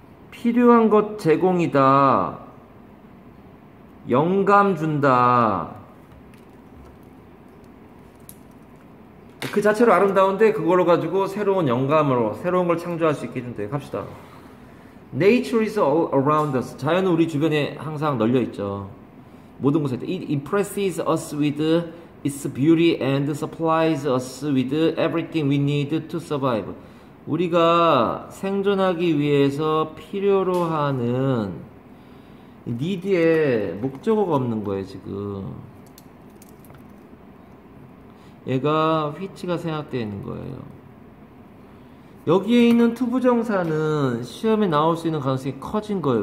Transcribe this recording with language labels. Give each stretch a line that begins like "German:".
Korean: 필요한 것 제공이다. 영감 준다. 그 자체로 아름다운데 그걸로 가지고 새로운 영감으로 새로운 걸 창조할 수 있게 된대. 갑시다.
English: Nature is all around us.
Korean: 자연은 우리 주변에 항상 널려 있죠. 모든 곳에 있다.
English: It impresses us with its beauty and supplies us with everything we need to survive.
Korean: 우리가 생존하기 위해서 필요로 하는 need에 목적어가 없는 거예요, 지금. 얘가 which가 생각되어 있는 거예요. 여기에 있는 투부정사는 시험에 나올 수 있는 가능성이 커진 거예요.